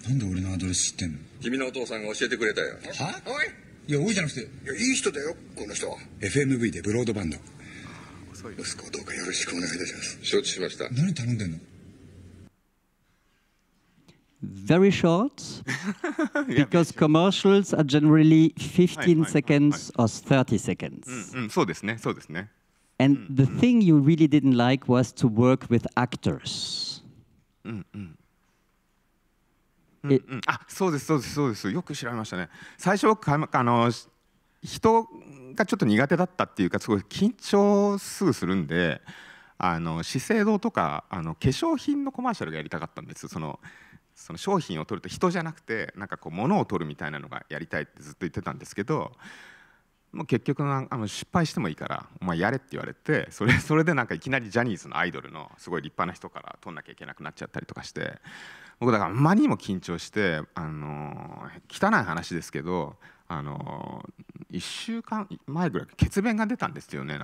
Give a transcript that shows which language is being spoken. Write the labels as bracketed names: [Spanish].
[Japanese] なんで俺のアドレス知ってんの？君のお父さんが教えてくれたよ。は？おい。いや、おいじゃなくて。いや、いい人だよ、この人は。 FMV でブロードバンド。息子をどうかよろしくお願いいたします。承知しました。何頼んでんの？ [English] Very short, because commercials are generally 15 seconds or 30 seconds. [Japanese] そうですね、そうですね。 [English] And the thing you really didn't like was to work with actors. [Japanese] あ、そうです、そうです、そうです。よく調べましたね。最初は人がちょっと苦手だったっていうか、すごい緊張すぐするんで、資生堂とか化粧品のコマーシャルがやりたかったんです。その商品を撮ると人じゃなくてなんかこう物を撮るみたいなのがやりたいってずっと言ってたんですけど、もう結局失敗してもいいからお前やれって言われて、それでなんかいきなりジャニーズのアイドルのすごい立派な人から撮んなきゃいけなくなっちゃったりとかして、僕だからあまりにも緊張して、汚い話ですけど、1週間前ぐらい血便が出たんですよね。